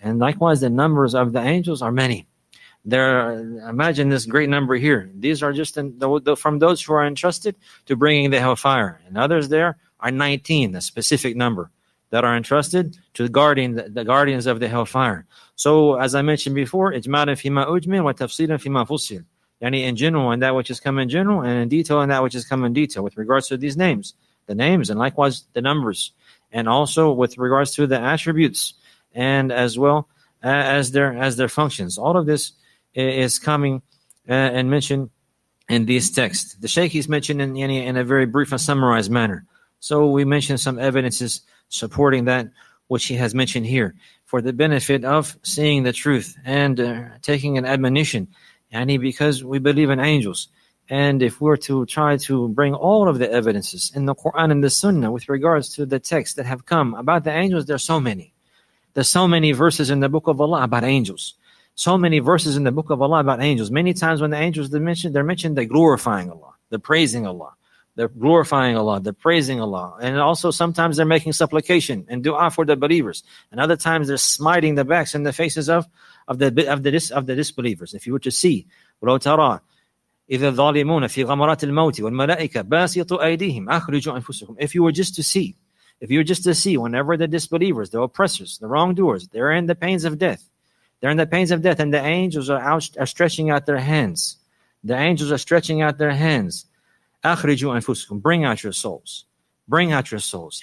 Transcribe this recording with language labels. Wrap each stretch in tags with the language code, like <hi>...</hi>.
<en>And likewise, the numbers of the angels are many. There, imagine this great number here. These are just from those who are entrusted to bringing the hellfire. And others there are 19, a specific number, that are entrusted to guarding the guardians of the hellfire. So, as I mentioned before,</en> <ar>إِجْمَالًا فِي مَا أُجْمِلْ وَتَفْصِيلًا فِي مَا فُصِّلْ.</ar> <en>Yani in general, in that which has come in general, and in detail, in that which has come in detail, with regards to these names, the names, and likewise the numbers, and also with regards to the attributes, and as well as their functions. All of this is coming and mentioned in these texts. The Shaykh is mentioned in a very brief and summarized manner. So we mentioned some evidences supporting that which he has mentioned here for the benefit of seeing the truth and taking an admonition. And because we believe in angels, and if we were to try to bring all of the evidences in the Quran and the Sunnah with regards to the texts that have come about the angels, there are so many. There's so many verses in the book of Allah about angels. So many verses in the book of Allah about angels. Many times when the angels are mentioned, they're mentioned, they're glorifying Allah. They're praising Allah. They're glorifying Allah. They're praising Allah. And also sometimes they're making supplication and dua for the believers. And other times they're smiting the backs and the faces of the disbelievers. If you were to see,</en> <ar>وَلَوْ تَرَى إِذَا الظَّالِمُونَ فِي غَمَرَاتِ الْمَوْتِ وَالْمَلَائِكَةُ بَاسِطُوا أَيْدِيهِمْ أَخْرِجُوا أَنفُسَكُمْ.</ar> <en>If you were just to see, if you were just to see, whenever the disbelievers, the oppressors, the wrongdoers, they're in the pains of death. They're in the pains of death, and the angels are stretching out their hands. The angels are stretching out their hands.</en> <ar>أَخْرِجُوا أَنفُسَكُمْ.</ar> <en>Bring out your souls. Bring out your souls.</en>